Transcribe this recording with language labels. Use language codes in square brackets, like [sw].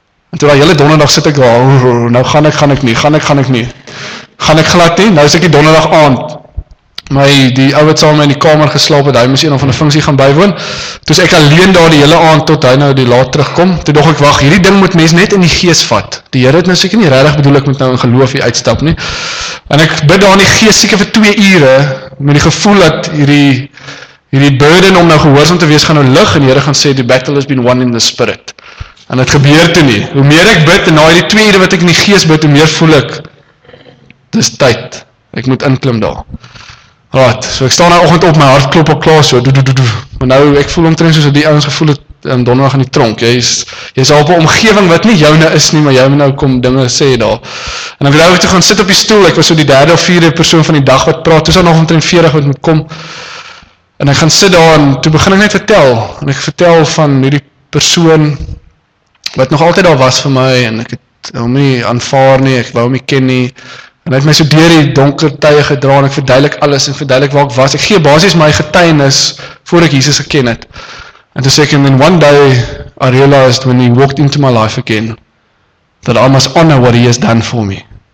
[af] En toe daai hele donderdag sit ek daar, nou gaan ek nie. Gaan ek glad nie, nou is ek die donderdag aand. My, die ou wat saam in die kamer geslaap het, hy moes een of ander funksie gaan bywoon. Toe is ek alleen daar die hele aand tot hy nou die laat terugkom. Toe dog ek, wag, hierdie ding moet mens net in die gees vat. Die Here het nou seker nie regtig bedoel ek moet nou in geloof hier uitstap nie. En ek bid daar in die gees seker vir 2 ure met die gevoel dat hierdie burden om nou gehoorsaam te wees gaan nou lig en die Here gaan sê [en] the battle has been won in the spirit. [af] En dit gebeur toe nie. Hoe meer ek bid en na hierdie 2 ure wat ek in die gees bid, hoe meer voel ek dis tyd. Ek moet inklim daar. Right, so ek staan nou oggend op, my hart klop al klaar so. Maar nou ek voel omtrent soos die ouens gevoel het in donderdag in die tronk. Jy is op 'n omgewing wat nie joune is nie, maar jy moet nou kom dinge sê daar. En ek wou net gaan sit op die stoel. Ek was so die derde of vierde persoon van die dag wat praat. Toe is daar nog omtrent 40 wat moet kom. En ek gaan sit daar en toe begin ek net vertel. En ek vertel van hierdie persoon wat nog altyd daar was vir my en ek het hom nie aanvaar nie. Ek wou hom nie ken nie. En hy het my so deur die donker tye gedra en ek verduidelik alles en verduidelik waar ek was. Ek gee basies my getuienis voor ek Jesus geken het. [en] And to say, and then one day I realized when he walked into my life again that I must honor what he has done for me.